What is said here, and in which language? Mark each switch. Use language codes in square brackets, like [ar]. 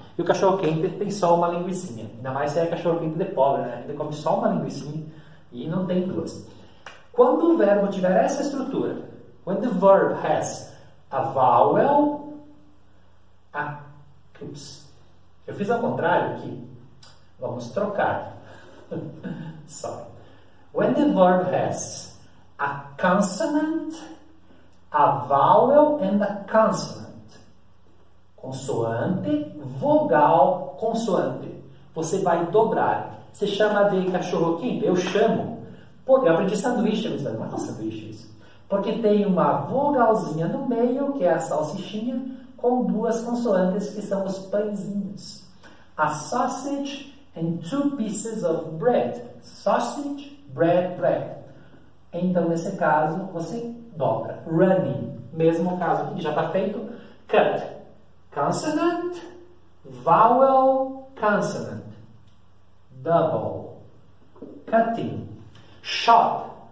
[pt] E o cachorro-quente tem só uma linguicinha. Ainda mais se é cachorro-quente de pobre, né? Ele come só uma linguicinha e não tem duas. Quando o verbo tiver essa estrutura, [en] when the verb has a vowel, a... [pt] Ups. Eu fiz ao contrário aqui. Vamos trocar. Sorry. [en] When the verb has a consonant, a vowel and a consonant. [pt] Consoante, vogal, consoante. Você vai dobrar. Você chama de cachorro aqui? Eu chamo. Pô, eu aprendi sanduíche, mas não é sanduíche isso. Porque tem uma vogalzinha no meio, que é a salsichinha, com duas consoantes, que são os pãezinhos. [en] A sausage and two pieces of bread. Sausage, bread. [pt] Então, nesse caso, você dobra. Running. Mesmo caso aqui, já está feito. [en] Cut. Consonant, vowel, consonant. Double. Cutting. Shop.